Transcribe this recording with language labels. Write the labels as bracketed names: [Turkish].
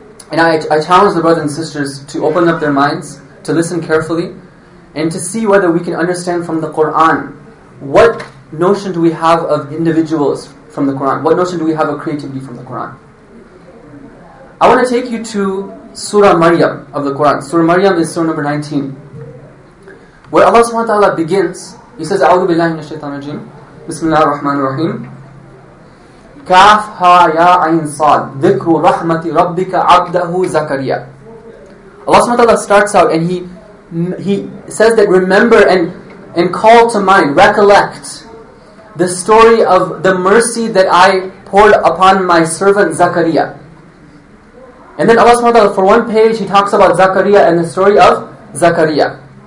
[English] And I challenge the brothers and sisters to open up their minds, to listen carefully, and to see whether we can understand from the Qur'an what notion do we have of individuals from the Qur'an? What notion do we have of creativity from the Qur'an? I want to take you to Surah Maryam of the Qur'an. Surah Maryam is Surah number 19. Where Allah subhanahu wa ta'ala begins, He says, [Arabic] أعوذ بالله من الشيطان الرجيم بسم الله الرحمن الرحيم كَافْ هَا يَا عَيْنْ صَاد ذِكْرُ رَحْمَةِ رَبِّكَ عَبْدَهُ زَكَرِيَا. [English] Allah subhanahu wa ta'ala starts out and He says that remember and call to mind, recollect the story of the mercy that I poured upon my servant Zakariya. And then Allah subhanahu wa ta'ala, for one page, He talks about Zakariya and the story of Zakariya.